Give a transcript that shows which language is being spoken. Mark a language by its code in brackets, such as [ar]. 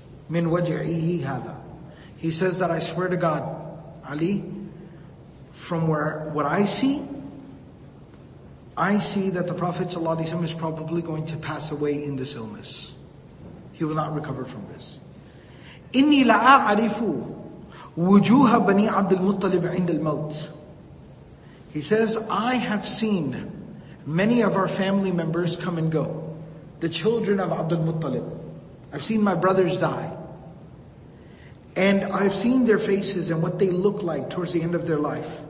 [ar] من وجعه هذا. [en] He says that I swear to God, Ali, from where what I see that the Prophet ﷺ is probably going to pass away in this illness. He will not recover from this. [ar] إني لا أعرف وجوه بني عبد المطلب عند الموت. [en] He says, I have seen many of our family members come and go. The children of Abdul Muttalib. I've seen my brothers die. And I've seen their faces and what they look like towards the end of their life.